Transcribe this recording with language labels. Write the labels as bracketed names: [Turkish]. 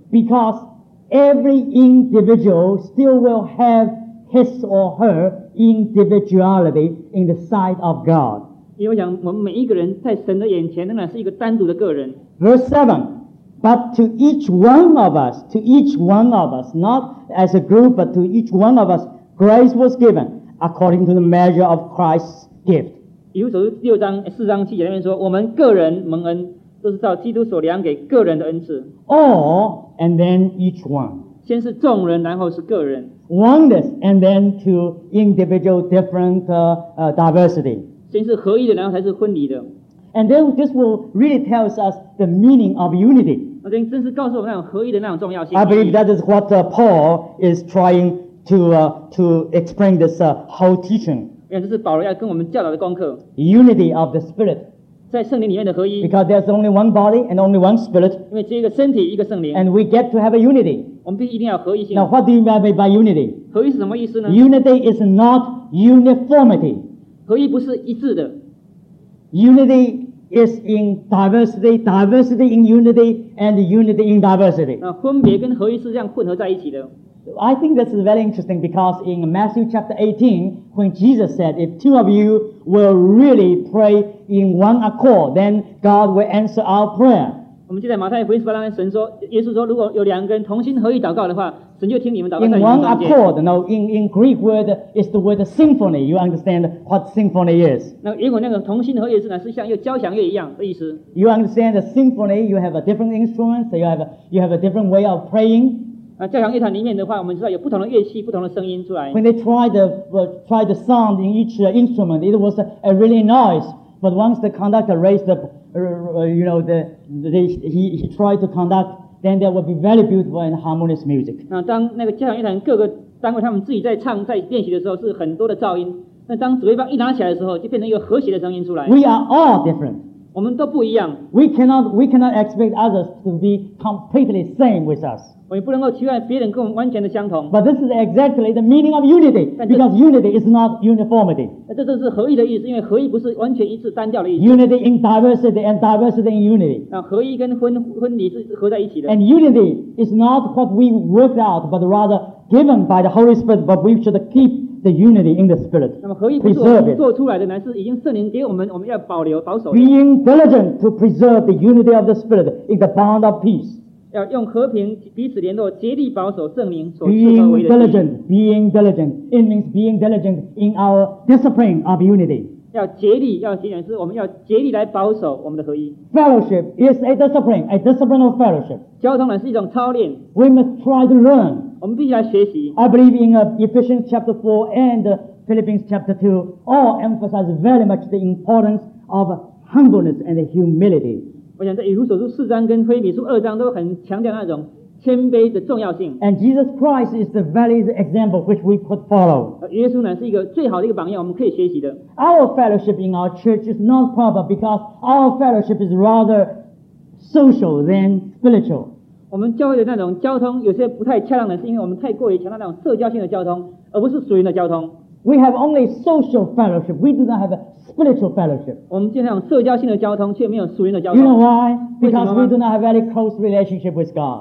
[English] Because every individual still will have his or her individuality in the sight of God. [Chinese] 因为我想，我们每一个人在神的眼前仍然是一个单独的个人。 [English] Verse 7. But to each one of us, to each one of us, not as a group, but to each one of us, grace was given. According to the measure of Christ's gift. [Chinese] 以弗所书4章7节那边说，我们个人蒙恩，都是照基督所量给个人的恩赐。 [English] All and then each one. [Chinese] 先是众人，然后是个人。 [English] Oneness and then to individual different diversity. [Chinese] 先是合一的，然后才是分离的。 [English] And then this will really tells us the meaning of unity. [Chinese] 那这正是告诉我们那种合一的那种重要性。 [English] I believe that is what Paul is trying. To explain this whole teaching. [Chinese] 因为这是保罗要跟我们教导的功课。 [English] Unity of the Spirit. [Chinese] 在圣灵里面的合一。 [English] Because there's only one body and only one Spirit. [Chinese] 因为只有一个身体，一个圣灵。 [English] And we get to have a unity. [Chinese] 我们必须一定要合一性。 [English] Now, what do you mean by unity? [Chinese] 合一是什么意思呢？ [English] Unity is not uniformity. [Chinese] 合一不是一致的。 [English] Unity is in diversity, diversity in unity, and unity in diversity. [Chinese] 那分别跟合一是这样混合在一起的。 [English] I think this is very interesting because in Matthew chapter 18, when Jesus said, if two of you will really pray in one accord, then God will answer our prayer. [Chinese] 我们记得马太福音十八章，神说，耶稣说，如果有两个人同心合意祷告的话，神就听你们祷告。 [English] In one accord, no, in Greek word is the word symphony. You understand what symphony is? [Chinese] 那英文那个同心合意是呢，是像一个交响乐一样的意思。 [English] You understand the symphony? You have a different instrument. You have a different way of praying. [Chinese] 那交响乐团里面的话，我们知道有不同的乐器，不同的声音出来。 [English] When they tried the sound in each instrument, it was a really noise. But once the conductor raised the he tried to conduct, then there would be very beautiful and harmonious music. [Chinese] 那当那个交响乐团各个单位他们自己在唱在练习的时候，是很多的噪音。那当指挥棒一拿起来的时候，就变成一个和谐的声音出来。 [English] We are all different. [Chinese] 我们都不一样。 [English] We cannot expect others to be completely same with us. [Chinese] 我们不能够期待别人跟我们完全的相同。 [English] But this is exactly the meaning of unity, because unity is not uniformity. [Chinese] 这就是合一的意思，因为合一不是完全一致单调的意思。 [English] Unity in diversity and diversity in unity. [Chinese] 那合一跟分离是合在一起的。 [English] And unity is not what we worked out, but rather given by the Holy Spirit, but we should keep the unity in the Spirit. [Chinese] 那么合一不是我们做出来的，乃是已经圣灵给我们要保留保守的。 [English] Being diligent to preserve the unity of the Spirit in the bond of peace. [Chinese] 要用和平彼此联络，竭力保守圣灵所赐 [English] 的。Being diligent, it means being diligent in our discipline of unity. [Chinese] 要竭力，是我们要竭力来保守我们的合一。 [English] Fellowship is a discipline of fellowship. [Chinese] 交通呢是一种操练。 [English] We must try to learn. [Chinese] 我们必须来学习。 [English] I believe in Ephesians chapter 4 and Philippians chapter 2 all emphasize very much the importance of humbleness and humility. [Chinese] 我想在以弗所书四章跟腓立比书二章都很强调那种谦卑的重要性。 [English] And Jesus Christ is the very example which we could follow. [Chinese] 耶稣乃是一个最好的一个榜样，我们可以学习的。 [English] Our fellowship in our church is not proper because our fellowship is rather social than spiritual. [Chinese] 我们教会的那种交通有些不太恰当的，是因为我们太过于强调那种社交性的交通，而不是属灵的交通。 [English] We have only social fellowship. We do not have a spiritual fellowship. [Chinese] 我们经常社交性的交通，却没有属灵的交通。 [English] You know why? Because we do not have a very close relationship with God.